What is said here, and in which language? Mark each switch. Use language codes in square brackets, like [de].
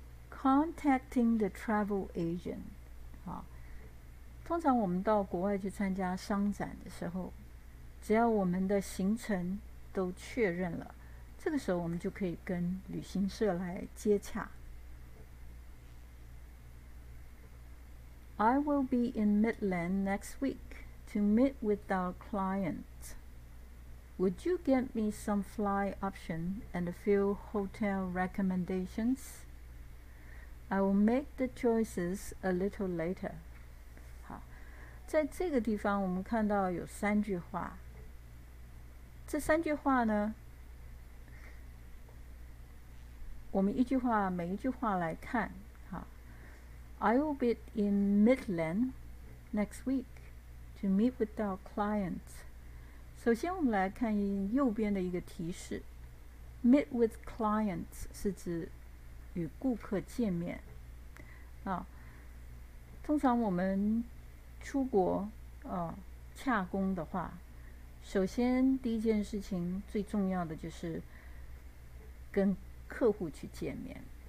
[en] Contacting the travel agent。 [zh] 通常我们到国外去参加商展的时候，只要我们的行程都确认了，这个时候我们就可以跟旅行社来接洽。 [en] I will be in Midland next week to meet with our client. Would you get me some fly option and a few hotel recommendations? I will make the choices a little later. [zh] 在这个地方我们看到有三句话，这三句话呢我们一句话每一句话来看。 [en] I will be in Midland next week to meet with our clients. [zh] 首先我们来看右边的一个提示。 [en] Meet with clients [zh] 是指与顾客见面。通常我们出国洽公的话，首先第一件事情最重要的就是跟客户去见面。